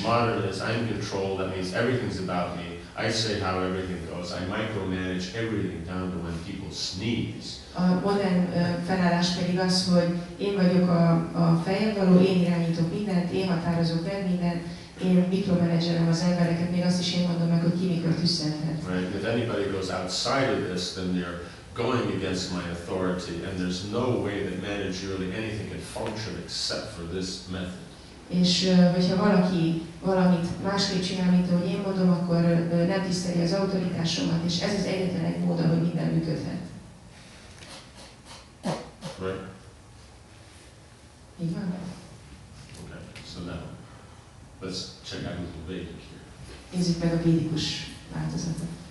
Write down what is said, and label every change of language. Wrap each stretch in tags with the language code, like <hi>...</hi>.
<en>Modern is I'm in control, that means everything's about me. I say how everything goes. I micromanage everything down to when people sneeze.</en> <hu>A modern felállás pedig az, hogy én vagyok a fejevaló, én irányítok mindent, én határozok meg mindent, én mikromanagerem az embereket, még azt is én mondom meg, hogy ki mikor tüsszenthet.</hu> <en>Right, if anybody goes outside of this, then they're going against my authority, and there's no way that managerially anything can function except for this method.</en> <hu>És hogyha valaki valamit másképp csinál, mint ahogy én mondom, akkor nem tiszteli az autoritásomat, és ez az egyetlen egy mód, ahogy minden működhet.</hu> <en>Right.</en> <hu>Így van.</hu> <en>Okay, so now, let's check out with the Vedic here.</en> <hu>Nézzük meg a védikus változatot.</hu>